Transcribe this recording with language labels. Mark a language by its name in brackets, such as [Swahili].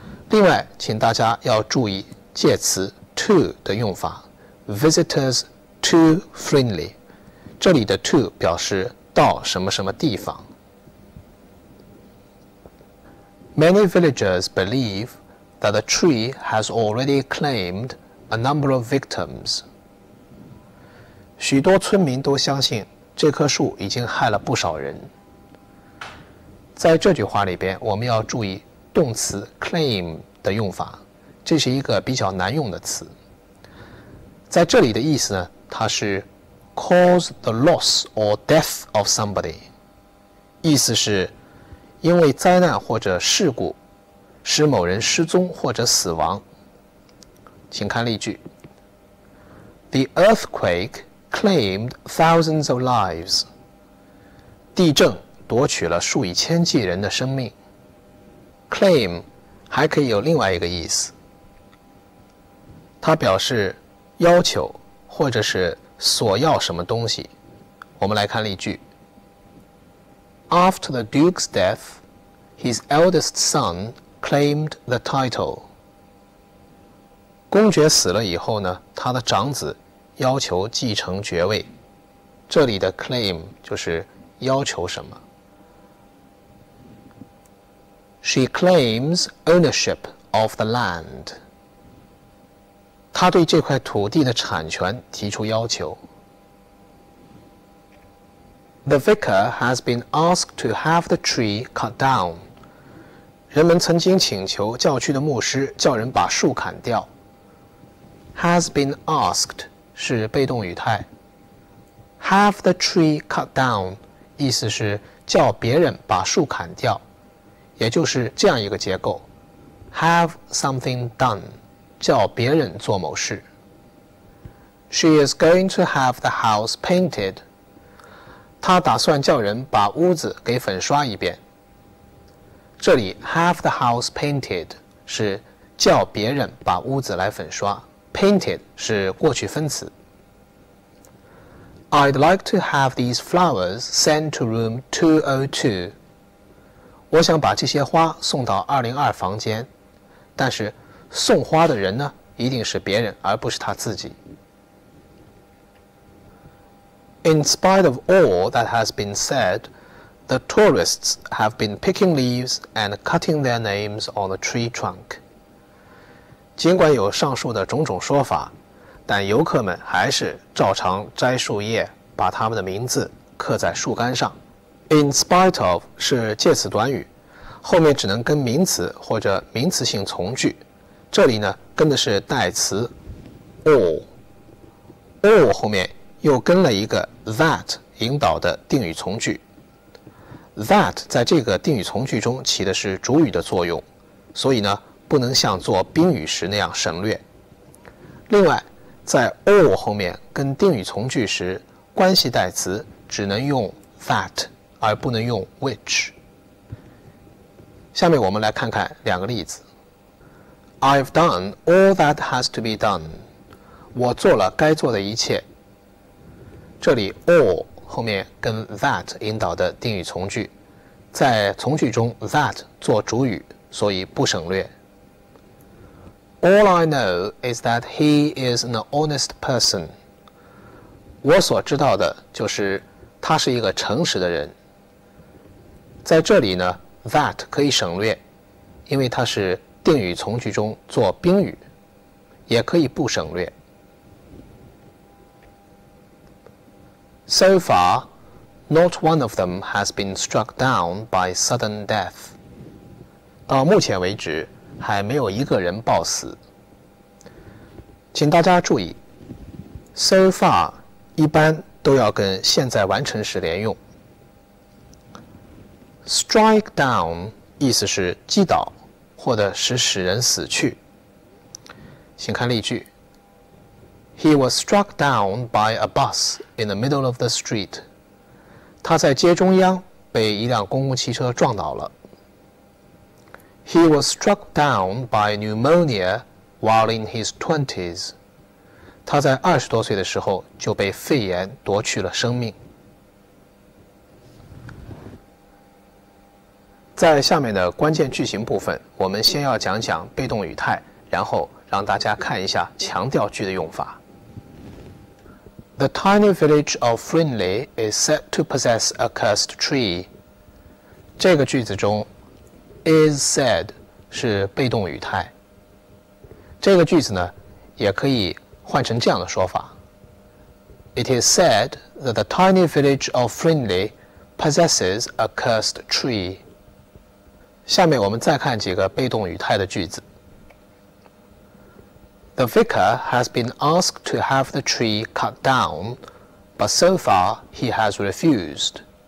[Chinese] 另外请大家要注意介词 to 的用法， [English] visitors to Frindley， [Chinese] 这里的 to 表示到什么什么地方。 [English] Many villagers believe that the tree has already claimed a number of victims。 [Chinese] 许多村民都相信这棵树已经害了不少人。在这句话里边，我们要注意动词 claim 的用法，这是一个比较难用的词。在这里的意思呢，它是 [English] cause the loss or death of somebody， [Chinese] 意思是因为灾难或者事故使某人失踪或者死亡。请看例句。 [English] The earthquakeclaimed thousands of lives. [Chinese] 地震夺取了数以千计人的生命。 [English] Claim [Chinese] 还可以有另外一个意思，它表示要求或者是索要什么东西。我们来看例句。 [English] After the Duke's death, his eldest son claimed the title. [Chinese] 公爵死了以后呢，他的长子要求继承爵位，这里的 claim 就是要求什么。 [English] She claims ownership of the land. [Chinese] 他对这块土地的产权提出要求。 [English] The vicar has been asked to have the tree cut down. [Chinese] 人们曾经请求教区的牧师叫人把树砍掉。 [English] Has been asked. [Chinese] 是被动语态。 [English] Have the tree cut down， [Chinese] 意思是叫别人把树砍掉，也就是这样一个结构。 [English] Have something done， [Chinese] 叫别人做某事。 [English] She is going to have the house painted， [Chinese] 她打算叫人把屋子给粉刷一遍。这里 [English] have the house painted [Chinese] 是叫别人把屋子来粉刷。 Painted 是过去分词。 [English] I'd like to have these flowers sent to room 202. [Chinese] 我想把这些花送到202房间，但是送花的人呢，一定是别人，而不是他自己。 [English] In spite of all that has been said, the tourists have been picking leaves and cutting their names on the tree trunk. [Chinese] 尽管有上述的种种说法，但游客们还是照常摘树叶，把他们的名字刻在树干上。 [English] In spite of [Chinese] 是介词短语，后面只能跟名词或者名词性从句，这里呢跟的是代词 all 后面又跟了一个 that 引导的定语从句。 That 在这个定语从句中起的是主语的作用，所以呢不能像做宾语时那样省略。另外，在 all 后面跟定语从句时，关系代词只能用 that 而不能用 which。下面我们来看看两个例子。 [English] I've done all that has to be done. [Chinese] 我做了该做的一切。这里 all 后面跟 that 引导的定语从句，在从句中 that 做主语，所以不省略。 [English] All I know is that he is an honest person. [Chinese] 我所知道的就是他是一个诚实的人。在这里呢 that 可以省略，因为它是定语从句中做宾语，也可以不省略。 [English] So far, not one of them has been struck down by sudden death. [Chinese] 到目前为止，还没有一个人暴死。请大家注意 ， [English] so far [Chinese] 一般都要跟现在完成时连用。 [English] Strike down [Chinese] 意思是击倒，或者是使人死去。请看例句。 [English] He was struck down by a bus in the middle of the street. [Chinese] 他在街中央被一辆公共汽车撞倒了。 [English] He was struck down by pneumonia while in his 20s. [Chinese] 他在二十多岁的时候就被肺炎夺去了生命。在下面的关键句型部分，我们先要讲讲被动语态，然后让大家看一下强调句的用法。 [English] The tiny village of Frinley is said to possess a cursed tree. [Chinese] 这个句子中 is said 是被动语态。这个句子呢也可以换成这样的说法。 [English] It is said that the tiny village of Frinley possesses a cursed tree. [Chinese] 下面我们再看几个被动语态的句子。 [English] The vicar has been asked to have the tree cut down, but so far he has refused.